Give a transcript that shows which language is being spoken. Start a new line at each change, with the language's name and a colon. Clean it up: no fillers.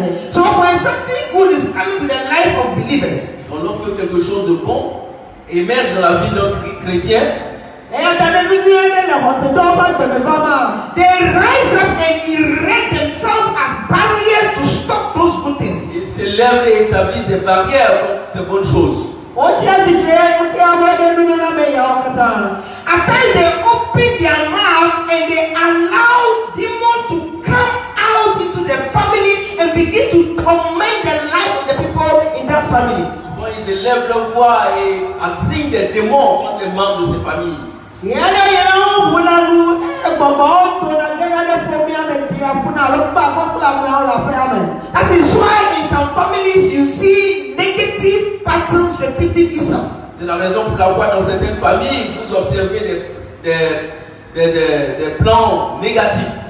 English: So when something good is coming to the life of believers,
French: donc lorsque quelque chose de bon émerge dans la vie d'un chrétien,
English: they rise up and erect themselves as barriers to stop those good things.
French: Ils s'élèvent et établissent des barrières contre ces bonnes choses.
English: At times they open their mouth and they allow demons to come out into the family and begin to command the life of the people in that family.
French: Souvent ils élèvent leur voix et assignent des démons contre les membres de ces familles.
English: That is why in some families you see negative patterns repeating itself.
French: C'est la raison pour laquelle dans certaines familles vous observez des plans négatifs.